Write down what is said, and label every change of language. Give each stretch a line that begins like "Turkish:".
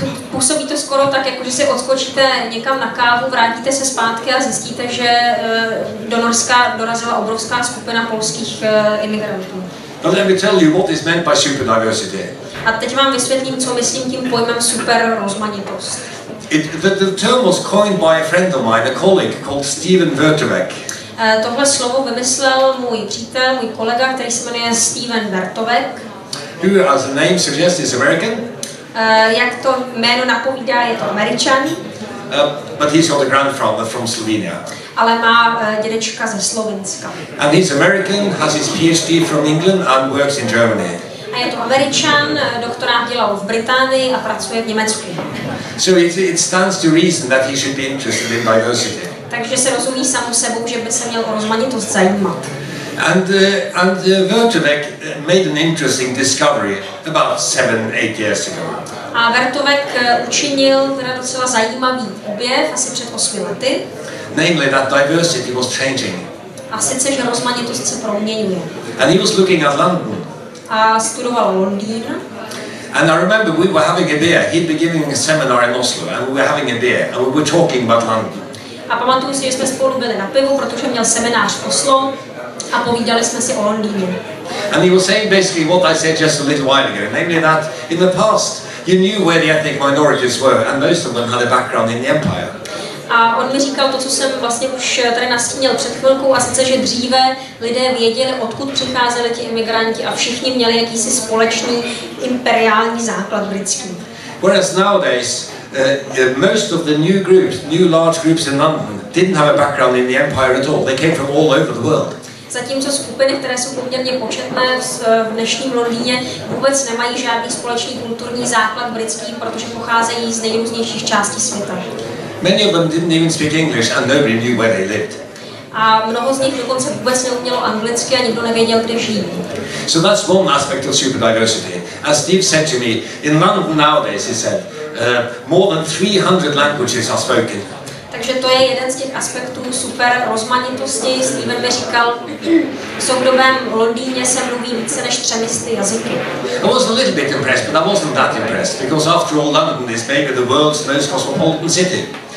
Czech: Působí to skoro tak, jako že si odskočíte někam na kávu, vrátíte se zpátky a zjistíte, že do Norska dorazila obrovská skupina polských imigrantů.
English: But let me tell you what is meant by superdiversity.
Czech: A teď vám vysvětlím, co myslím tím pojmem super rozmanitost.
English: The term was coined by a friend of mine, a colleague called Steven Vertovec.
Czech: Tohle slovo vymyslel můj přítel, můj kolega, který se jmenuje Steven Vertovec.
English: who, as the name suggests, is American.
Czech: Jak to jméno napovídá, je to Američan.
English: But he's got a grandfather from Slovenia.
Czech: Ale má dědečka ze Slovenska.
English: And he's American, has his PhD from England and works in Germany.
Czech: A je to Američan, doktorát dělal v Británii a pracuje v Německu.
English: So it stands to reason that he should be interested in diversity.
Czech: Takže se rozumí samu sebou, že by se měl o rozmanitost zajímat.
English: And Vertovec made an interesting discovery about 7-8 years ago.
Czech: A Vertovec učinil teda docela zajímavý objev asi před 8 lety.
English: Namely that diversity was changing.
Czech: A sice, že rozmanitost se proměňuje.
English: And he was looking at London.
Czech: A studoval Londýn.
English: And I remember we were having a beer. He'd be giving a seminar in Oslo and we were having a beer and we were talking about London.
Czech: A pamatuju si, že jsme spolu byli na pivu, protože měl seminář v Oslo. A povídali jsme si o Londýně.
English: And he was saying basically what I said just a little while ago, namely that in the past you knew where the ethnic minorities were and most of them had a background in the empire.
Czech: A on mi říkal to, co jsem vlastně už tady nastínil před chvilkou, a sice, že dříve lidé věděli, odkud přicházeli ti imigranti a všichni měli jakýsi společný imperiální základ britský.
English: Whereas nowadays most of the new large groups in London didn't have a background in the empire at all. They came from all over the world.
Czech: Zatímco skupiny, které jsou poměrně početné v dnešním Londýně, vůbec nemají žádný společný kulturní základ britský, protože pocházejí z nejrůznějších částí světa.
English: Many of them didn't even speak English and nobody knew where they lived.
Czech: A mnoho z nich dokonce vůbec neumělo anglicky a nikdo nevěděl, kde žijí.
English: So that's one aspect of superdiversity. As Steve said to me, in London nowadays, he said, more than 300 languages are spoken.
Czech: Takže to je jeden z těch aspektů super rozmanitosti. Steven mi říkal, v soudobém Londýně se mluví více než 300 jazyky.
English: I was a little bit impressed, but I wasn't that impressed, because after all, London is maybe the world's most cosmopolitan city.